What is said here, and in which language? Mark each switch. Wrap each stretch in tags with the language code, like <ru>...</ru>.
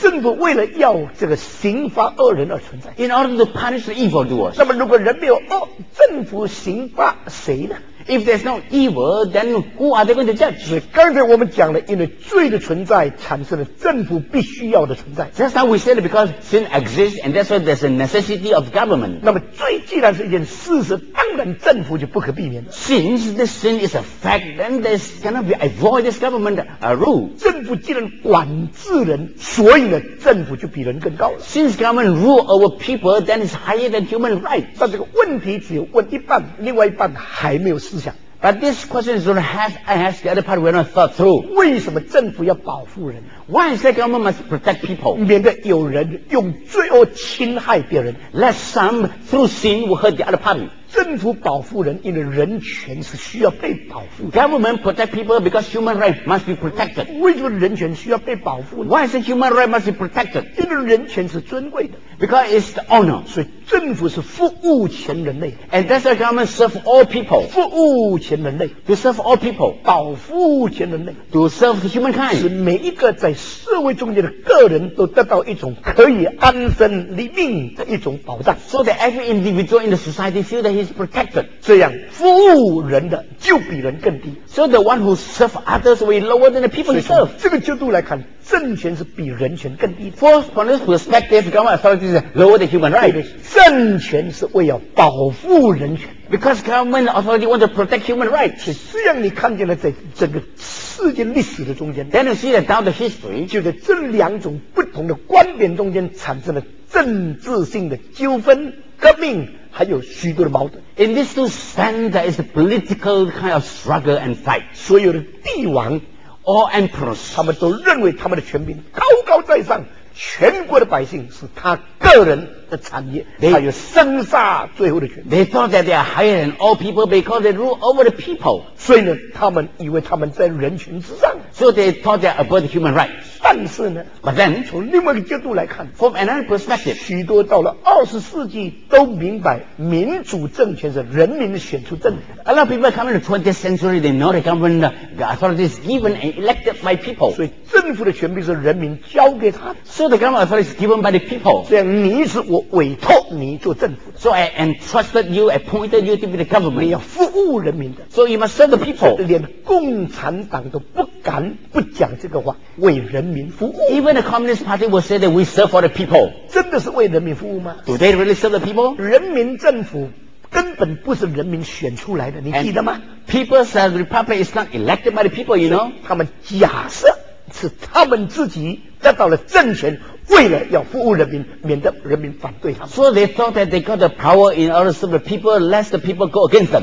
<zh>政府为了要这个刑罚恶人而存在。</zh> <en>In order to punish the evil doers.</en> <zh>那么如果人没有恶，政府刑罚谁呢？</zh> <en>If there's no evil, then who are they going to judge?</en> <zh>所以刚才我们讲了，因为罪的存在产生了政府必须要的存在。</zh> <en>Just now we said because sin exists, and that's why there's a necessity of government.</en> <zh>那么罪既然是一件事实，当然政府就不可避免了。</zh> <en>Since this sin is a fact, then there's cannot be avoid this government rule.</en> <zh>政府既然管制人，所以呢，政府就比人更高了。</zh> <en>Since government rule over people, then it's higher than human right.</en> <zh>但这个问题只有问一半，另外一半还没有。</zh> <en>But this question is only half asked, the other part we're not thought through.</en> <zh>为什么政府要保护人？</zh> <en>Why is the government must protect people?</en> <zh>免得有人用罪恶侵害别人。</zh> <en>Let some through sin will hurt the other party.</en> <zh>政府保护人，因为人权是需要被保护的。</zh> <en>Government protect people because human right must be protected.</en> <zh>为什么人权需要被保护呢？</zh> <en>Why is the human right must be protected?</en> <zh>因为人权是尊贵的。</zh> <en>Because it's the honor.</en> <zh>所以政府是服务全人类。</zh> <en>And that's why government serve all people.</en> <zh>服务全人类。</zh> <en>To serve all people.</en> <zh>保护全人类。</zh> <en>To serve humankind.</en> <zh>使每一个在社会中间的个人都得到一种可以安身立命的一种保障。</zh> <en>So that every individual in the society feel that he's protected.</en> <zh>这样服务人的就比人更低。</zh> <en>So the one who serve others will be lower than the people he serve.</en> <zh>这个角度来看，政权是比人权更低的。</zh> <en>For from this perspective, government authority is lower than human rights.</en> <zh>政权是为了保护人权。</zh> <en>Because government authority wants to protect human rights.</en> <zh>所以这样你看见了在这个世界历史的中间，</zh> <en>Then you see that down the history,</en> <zh>就在这两种不同的观点中间产生了政治性的纠纷、革命，还有许多的矛盾。</zh> <en>In this two stand, there is a political kind of struggle and fight.</en> <zh>所有的帝王</zh> <en>All emperors,</en> <zh>他们都认为他们的权柄高高在上，全国的百姓是他个人的产业，他有生杀最后的权。</zh> <en>They thought that they are higher than all people because they rule over the people.</en> <zh>所以呢，他们以为他们在人权之上。</zh> <en>So they thought they are above the human rights.</en> <zh>但是呢</zh> <en>，But then,</en> <zh>从另外一个角度来看</zh> <en>，from another perspective,</en> <zh>许多到了二十世纪都明白，民主政权是人民选出政府。</zh> <en>A lot of people come in the 20th century. They know the government, the authority is given and elected by people.</en> <zh>所以政府的权柄是人民交给他的。</zh> <en>So the government authority is given by the people.</en> <zh>这样你是我委托你做政府的。</zh> <en>So I entrusted you, appointed you to be the government.</en> <zh>你要服务人民的。</zh> <en>So you must serve the people.</en> <zh>连共产党都不敢不讲这个话，为人民服务。</zh> <en>Even the Communist Party will say that we serve for the people.</en> <zh>真的是为人民服务吗？</zh> <en>Do they really serve the people?</en> <zh>人民政府根本不是人民选出来的，你记得吗？</zh> <en>People's Republic is not elected by the people, you know.</en> <zh>他们假设是他们自己得到了政权，为了要服务人民，免得人民反对他们。</zh> <en>So they thought that they got the power in order to serve the people, lest the people go against them.</en>